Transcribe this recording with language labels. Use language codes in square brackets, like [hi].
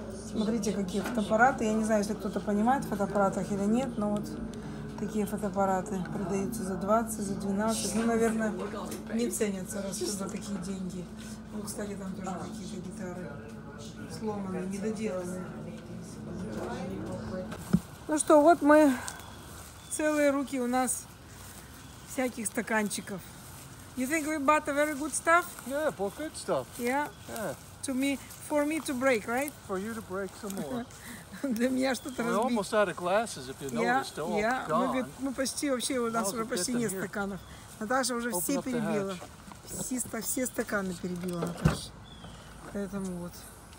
[ru] Смотрите, какие фотоаппараты. Я не знаю, если кто-то понимает в фотоаппаратах или нет, но вот такие фотоаппараты продаются за 20, за 12. Ну, наверное, не ценятся, раз за такие деньги. Ну, кстати, там тоже какие-то гитары сломанные, недоделанные. Ну что, вот мы, целые руки у нас всяких стаканчиков. [en] You think we bought the very good stuff? Yeah, bought good stuff. Yeah? Yeah. To me, for me to break, right? For you to break some more. [ru] Для меня что-то разбить. [en] We're almost out of glasses, if you noticed. [ru] Мы почти вообще, у нас уже почти нет стаканов. Наташа уже все перебила. Все стаканы перебила, Наташа. Поэтому вот.